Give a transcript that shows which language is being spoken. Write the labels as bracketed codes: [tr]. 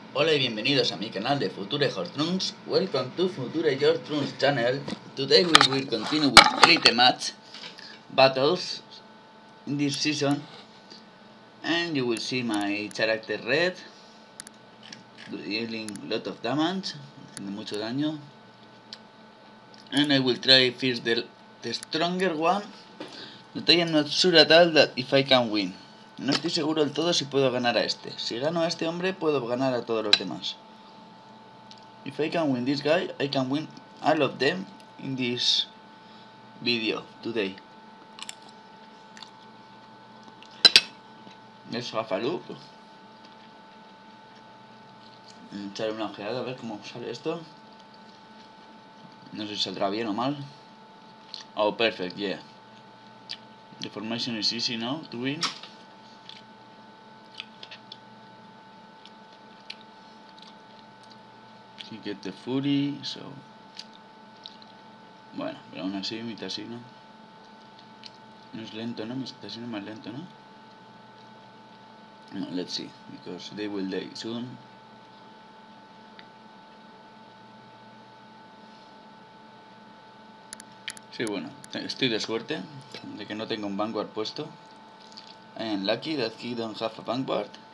[es] Hola y bienvenidos a mi canal de Future Hortrunks. [en] Welcome to Future Hortrunks channel. Today we will continue with Elite Match Battles in this season. And you will see my character Red dealing lot of damage, [es] haciendo mucho daño. [en] And I will try first the stronger one. But I am not sure at all that if I can win. [es] No estoy seguro del todo si puedo ganar a este. Si gano a este hombre, puedo ganar a todos los demás. [en] If I can win this guy, I can win all of them in this video today. [es] Es Fafaloop. Echar una ojeada a ver cómo sale esto. No sé si saldrá bien o mal. [en] Oh, perfect, yeah. The formation is easy now to win. He get the fury, so... [es] Bueno, pero aún así mi tasino no es lento, ¿no? Mi tasino es más lento, ¿no? [en] No, let's see, because they will die soon. [es] Sí, bueno, estoy de suerte de que no tengo un vanguard puesto. [en] I am lucky that he don't have a vanguard.